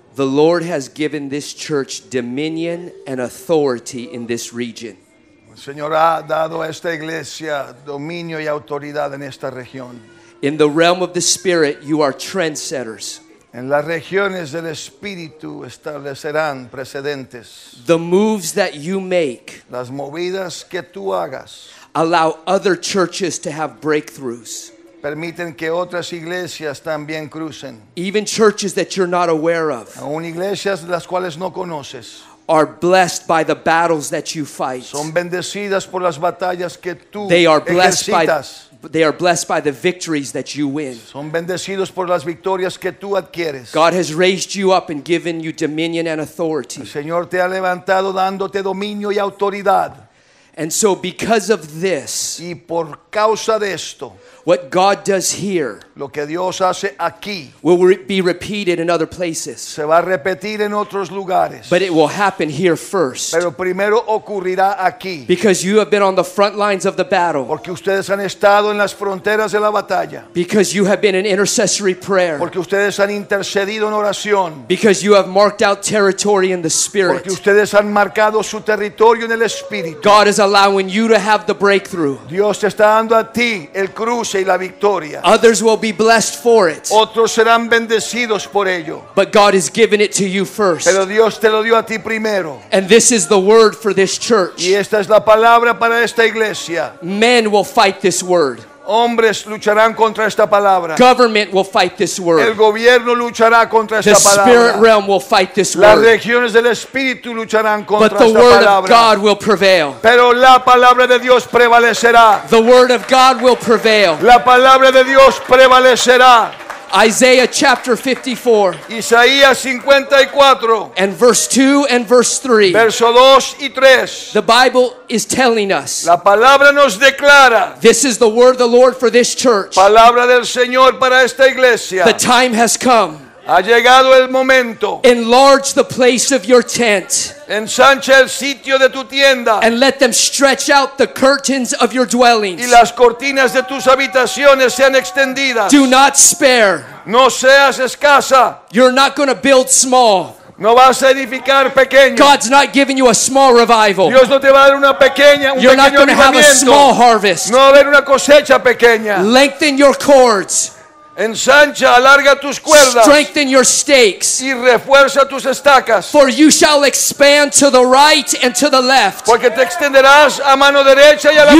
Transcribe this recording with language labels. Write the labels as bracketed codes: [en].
[en] The Lord has given this church dominion and authority in this region. [es] El Señor ha dado a esta iglesia dominio y autoridad en esta región. [en] In the realm of the Spirit, you are trendsetters. [es] En las regiones del Espíritu establecerán precedentes. [en] The moves that you make, [es] las movidas que tú hagas, [en] allow other churches to have breakthroughs. [es] Permiten que otras iglesias también crucen. [en] Even churches that you're not aware of, [es] aún iglesias las cuales no conoces, [en] are blessed by the battles that you fight. [es] Son bendecidas por las batallas que tú ejercitas. [en] They are blessed by the victories that you win. [es] Son bendecidos por las victorias que tú adquieres. [en] God has raised you up and given you dominion and authority. [es] El Señor te ha levantado dándote dominio y autoridad. [en] And so because of this, [es] y por causa de esto, [en] what God does here, [es] lo que Dios hace aquí, [en] will be repeated in other places. [es] Se va a repetir en otros lugares. [en] But it will happen here first. [es] Pero primero ocurrirá aquí. [en] Because you have been on the front lines of the battle. [es] Porque ustedes han estado en las fronteras de la batalla. [en] Because you have been in intercessory prayer. [es] Porque ustedes han intercedido en oración. [en] Because you have marked out territory in the spirit. [es] Porque ustedes han marcado su territorio en el espíritu. [en] God is allowing you to have the breakthrough. [es] Dios te está dando a ti el cruce. [en] Others will be blessed for it. [es] Otros serán bendecidos por ello. [en] But God has given it to you first. [es] Pero Dios te lo dio a ti primero. [en] And this is the word for this church. [es] Y esta es la palabra para esta iglesia. [en] Men will fight this word. [es] Hombres lucharán contra esta palabra. [en] Government will fight this word. [es] El gobierno luchará contra esta palabra. [en] The spirit realm will fight this word. [es] Las regiones del espíritu lucharán contra esta palabra. [en] But the word of God will prevail. [es] Pero la palabra de Dios prevalecerá. [en] The word of God will prevail. [es] La palabra de Dios prevalecerá. [en] Isaiah chapter 54. [es] Isaías 54. [en] And verse 2 and verse 3. [es] Verso 2 y 3. [en] The Bible is telling us. [es] La palabra nos declara. [en] This is the word of the Lord for this church. [es] Palabra del Señor para esta iglesia. [en] The time has come. [es] Ha llegado el momento. [en] Enlarge the place of your tent. [es] Ensancha el sitio de tu tienda. [en] And let them stretch out the curtains of your dwellings. [es] Y las cortinas de tus habitaciones sean extendidas. [en] Do not spare. [es] No seas escasa. [en] You're not going to build small. [es] No vas a edificar pequeño. [en] God's not giving you a small revival. [es] Dios no te va a dar una pequeña, un [en] You're [es] pequeño [en] not going to have a small harvest. [es] No va a haber una cosecha pequeña. [en] Lengthen your cords. [es] Ensancha, alarga tus cuerdas. [en] Strengthen your stakes. [es] Y refuerza tus estacas. [en] For you shall expand to the right and to the left. [es] Porque te extenderás a mano derecha y a la